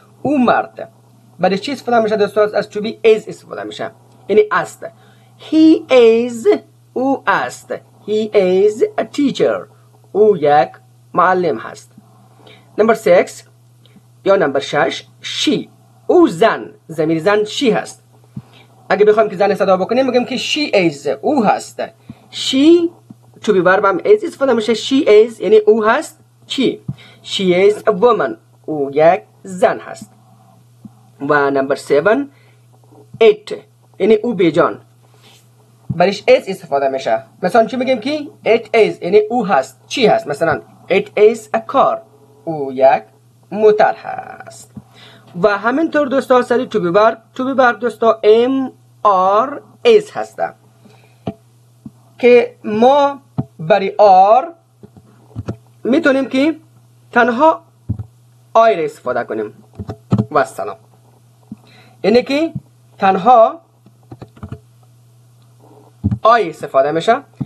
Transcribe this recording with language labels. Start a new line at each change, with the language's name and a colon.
Persian: او مرد برای چی استفاده میشه دوستان؟ از
English: to be is
Persian: استفاده میشه، یعنی است.
English: he is،
Persian: او است.
English: He is a teacher.
Persian: او یک معلم هست.
English: Number 6 یا number 6 She.
Persian: او زن. زمیر زن
English: she
Persian: هست. اگه بخوایم که زن صدا بکنیم میگم که
English: she is.
Persian: او هست.
English: She to be verb is
Persian: استفاده میشه.
English: She is
Persian: یعنی او هست.
English: She. She is a woman.
Persian: او یک زن هست. و
English: number 7 It.
Persian: یعنی او بیجان. برایش is استفاده میشه. مثلا چی میگیم که
English: it is
Persian: یعنی او هست. چی هست؟ مثلا
English: it is a car.
Persian: او یک موتر هست. و همینطور دوستا سری
English: to be verb. To be verb
Persian: دوستا
English: am or is
Persian: هستم. که ما برای آر میتونیم که تنها آی را استفاده کنیم. و سلام. یعنی که تنها آی استفاده میشه.